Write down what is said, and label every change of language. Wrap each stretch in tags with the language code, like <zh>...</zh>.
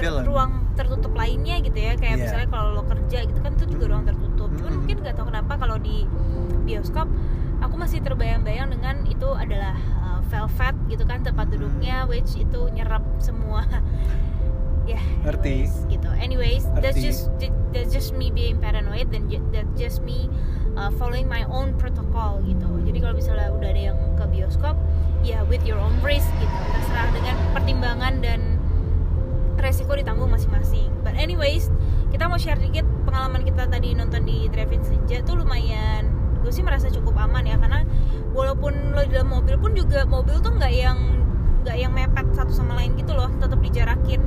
<id>film. Ruang tertutup lainnya gitu ya, kayak misalnya kalau lo kerja gitu kan itu juga ruang tertutup. Cuman mungkin enggak tahu kenapa kalau di bioskop aku masih terbayang-bayang dengan itu adalah velvet gitu kan tempat duduknya, which itu nyerap semua.</id> <en>Yeah,</en> <id>ngerti gitu.</id> <en>Anyways, that's just me being paranoid, then that's just me following my own protocol gitu.</en> <id>Jadi kalau misalnya udah ada yang ke bioskop, ya with your own risk gitu. Terserah dengan pertimbangan dan resiko ditanggung masing-masing. But anyways, kita mau share dikit pengalaman kita tadi nonton di Drive-In Senja tuh lumayan. Gue sih merasa cukup aman ya, karena walaupun lo di dalam mobil pun juga mobil tuh nggak yang mepet satu sama lain gitu loh, tetap dijarakin.</id>